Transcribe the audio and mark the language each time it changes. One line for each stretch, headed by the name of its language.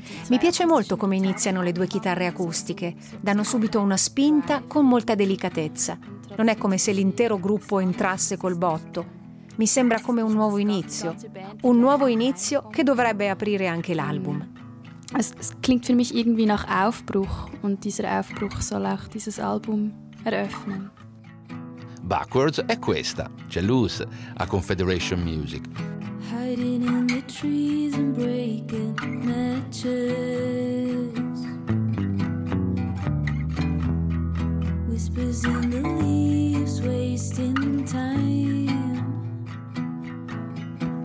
Italian: Mi piace molto come iniziano le 2 chitarre acustiche. Danno subito una spinta con molta delicatezza. Non è come se l'intero gruppo entrasse col botto. Mi sembra come un nuovo inizio. Un nuovo inizio che dovrebbe aprire anche l'album.
German: Es klingt für mich irgendwie nach Aufbruch und dieser Aufbruch soll auch dieses Album eröffnen.
Italian: Backwards è questa, c'è Luz a Confederation Music.
English: Hiding in the trees and breaking matches. Whispers in the leaves, wasting time.